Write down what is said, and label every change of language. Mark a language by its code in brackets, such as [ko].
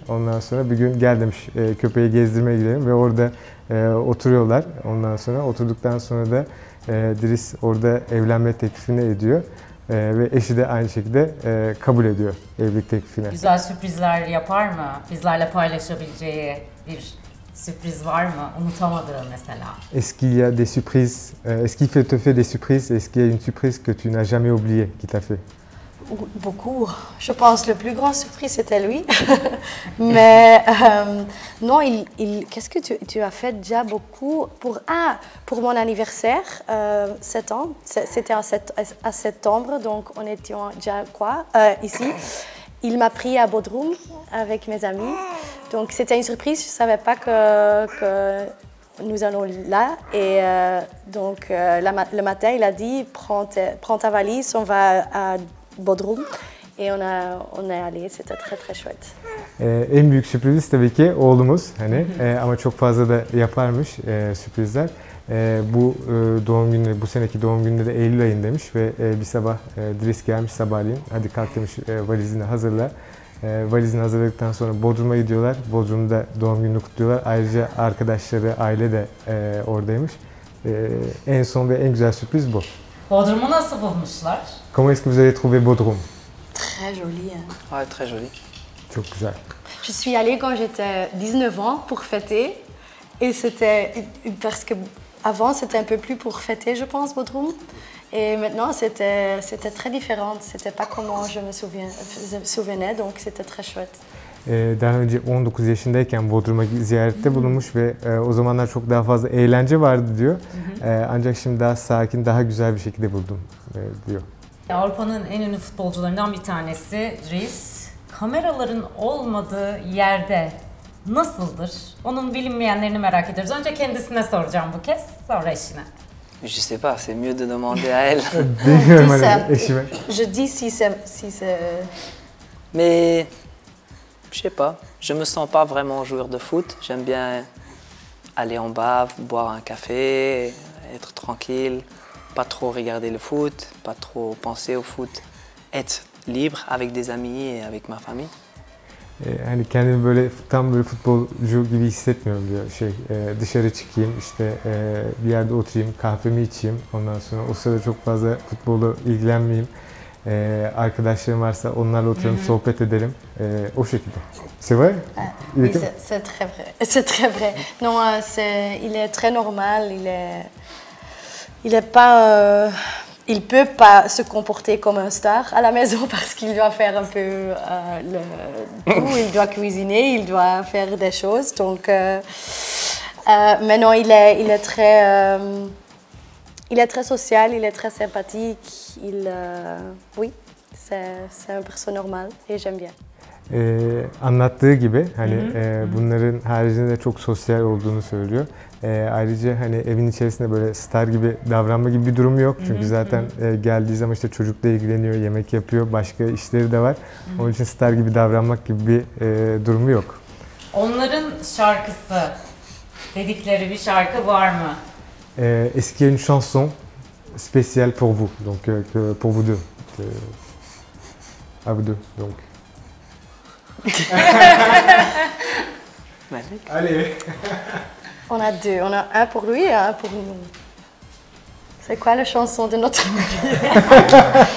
[tr] Ondan sonra bir gün gel demiş köpeği gezdirmeye gidelim ve orada oturuyorlar. Ondan sonra oturduktan sonra da Dries orada evlenme teklifini ediyor. Ve eşi de aynı şekilde kabul ediyor evlilik teklifini. Güzel sürprizler yapar mı? Bizlerle paylaşabileceği bir sürpriz var mı? Unutamadığı mesela. [fr] Est-ce qu'il y a des surprises? Est-ce qu'il fait te faire des surprises? Est-ce qu'il y a une surprise que tu n'as jamais oubliée qui t'a fait? Beaucoup. Je pense que le plus grand surprise c'était lui. Mais non, qu'est-ce que tu as fait déjà beaucoup pour mon anniversaire, 7 ans. C'était à septembre, donc on était déjà quoi ici. Il m'a pris à Bodrum avec mes amis. Donc c'était une surprise. Je savais pas que nous allons là. Et donc le matin, il a dit prends ta valise, on va à Bodrum et on est allé, c'était très très chouette. [tr] En büyük sürpriz tabii ki oğlumuz hani ama çok fazla da yaparmış sürprizler. Bu doğum günü, bu seneki doğum günü de Eylül ayındaymış ve bir sabah Dries gelmiş sabahleyin. Hadi kalk demiş, valizini hazırla. Valizini hazırladıktan sonra Bodrum'a gidiyorlar. Bodrum'da doğum gününü kutluyorlar. Ayrıca arkadaşları, aile de oradaymış. En son ve en güzel sürpriz bu. Bodrum'u nasıl bulmuşlar? [fr] Comment est-ce que vous avez trouvé Bodrum? Très joli. Hein? Ouais, très joli. [tr] Çok güzel. [fr] Je suis allée quand j'étais 19 ans pour fêter. Et c'était parce que avant c'était un peu plus pour fêter, je pense, Bodrum. Et maintenant c'était très différent. C'était pas comme je me souvenais, donc c'était très chouette. [tr] Daha önce 19 yaşındayken Bodrum'a ziyarette bulunmuş ve o zamanlar çok daha fazla eğlence vardı diyor. Ancak şimdi daha sakin, daha güzel bir şekilde buldum diyor. Avrupa'nın en ünlü futbolcularından bir tanesi Dries. Kameraların olmadığı yerde nasıldır? Onun bilinmeyenlerini merak ediyoruz. Önce kendisine soracağım bu kez, sonra eşine. [fr] Je sais pas, c'est mieux de demander à elle. [tr] Bilmiyorum hani eşime. [fr] Je dis si c'est... Mais... Je sais pas, je me sens pas vraiment joueur de foot. J'aime bien aller en bas, boire un café, être tranquille, pas trop regarder le foot, pas trop penser au foot, être libre avec des amis et avec ma famille. [tr] Hani kendimi böyle tam böyle futbolcu gibi hissetmiyorum diyor. Dışarı çıkayım, işte bir yerde oturayım, kahvemi içeyim, ondan sonra o sırada çok fazla futbolla ilgilenmeyeyim. Arkadaşlarım varsa onlarla oturalım, sohbet edelim. O şekilde. [fr] C'est vrai? Oui, c'est très vrai. C'est très vrai. Non, il est très normal. Il peut pas se comporter comme un star à la maison parce qu'il doit faire un peu le tout. Il doit cuisiner, il doit faire des choses. Donc, maintenant, il est très social, il est très sympathique. Oui, c'est un perso normal et j'aime bien. [tr] Anlattığı gibi hani bunların haricinde çok sosyal olduğunu söylüyor. Ayrıca hani evin içerisinde böyle star gibi davranma gibi bir durum yok. Çünkü zaten geldiği zaman işte çocukla ilgileniyor, yemek yapıyor, başka işleri de var. Onun için star gibi davranmak gibi bir durumu yok. Onların şarkısı dedikleri bir şarkı var mı? [fr] Est-ce qu'il y a une chanson spéciale pour vous, donc pour vous deux, à vous deux, donc. Magnifique. Allez. On a deux, on a un pour lui et un pour nous. C'est quoi la chanson de notre vie?